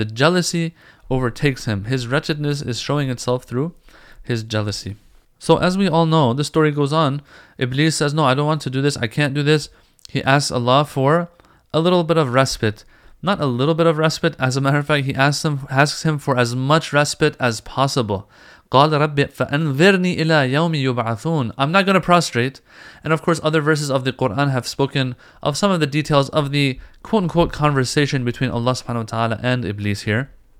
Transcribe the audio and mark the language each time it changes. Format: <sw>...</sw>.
<en>The jealousy overtakes him. His wretchedness is showing itself through his jealousy. So as we all know, the story goes on. Iblis says, no, I don't want to do this. I can't do this. He asks Allah for a little bit of respite. Not a little bit of respite. As a matter of fact, he asks him for as much respite as possible.</en> <ar>قال رب فأنذرني إلى يوم يبعثون.</ar> <en>I'm not going to prostrate. And of course, other verses of the Quran have spoken of some of the details of the quote-unquote conversation between Allah subhanahu wa ta'ala and Iblis here.</en>